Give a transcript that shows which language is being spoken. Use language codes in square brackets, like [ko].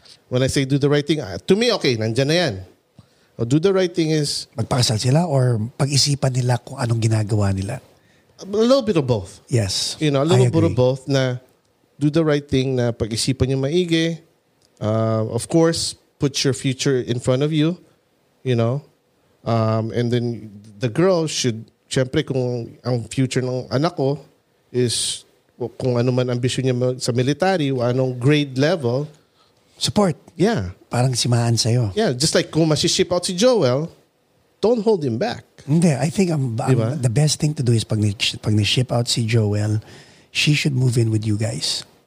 [en] When I say do the right thing, to me, okay, [tl] nandyan na yan. [en] Or do the right thing is [tl] magpakasal sila or pag-isipan nila kung anong ginagawa nila. [en] A little bit of both. Yes. You know, a little bit of both na do the right thing [tl] na pag-isipan yung maigi. [en] Of course, put your future in front of you, you know. And then the girl should, [tl] syempre kung ang future ng anak ko is kung ano man ambisyon niya sa military, anong grade level. [en] Support. Yeah. [tl] Parang simaan sa'yo. [en] Yeah, just like [tl] kung masiship out si Joel, [en] don't hold him back. Hindi, I think the best thing to do is [tl] pag ni-ship out si Joel, [en] she should move in with you guys.